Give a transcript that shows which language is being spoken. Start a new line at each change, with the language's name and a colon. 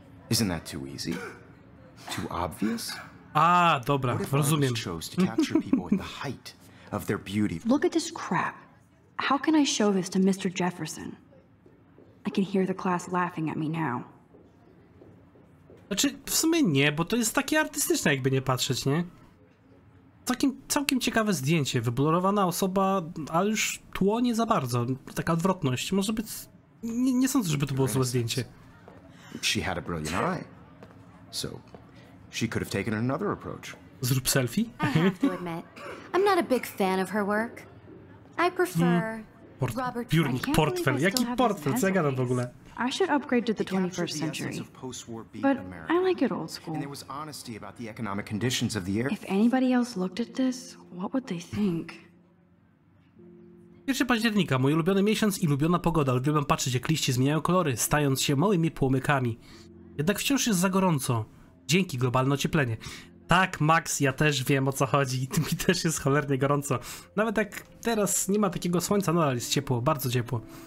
English: Isn't that too easy? Too obvious?
Polish: Ah, dobra, rozumiem.
English: What if Arbus chose to capture people in the height of their beauty? Look at this crap. How can I show this to Mr. Jefferson? I can hear the class laughing at me now.
Polish: Znaczy, w sumie nie, bo to jest takie artystyczne, jakby nie patrzeć, nie? Całkiem ciekawe zdjęcie. Wyblurowana osoba, ale już tło nie za bardzo. Taka odwrotność. Może być... Nie sądzę, żeby to było złe zdjęcie.
English: She had a brilliant eye. So, she could have taken another approach.
Polish: Zrób selfie.
English: I have to admit, I'm not a big fan of her work. I prefer...
Polish: Biurnik, portfel. Jaki portfel? Co ja gadam w ogóle?
English: I should upgrade to the 21st century, but I like it old school. And there was honesty about the economic conditions of the era. If anybody else looked at this, what would they think?
Polish: 1 października, mój ulubiony miesiąc i ulubiona pogoda. Lubiłem patrzeć, jak liście zmieniają kolory, stając się małymi płomykami. Jednak wciąż jest za gorąco. Dzięki, globalne ocieplenie. Tak, Max, ja też wiem, o co chodzi. Mi też jest cholernie gorąco. Nawet jak teraz nie ma takiego słońca, nadal jest ciepło, bardzo ciepło.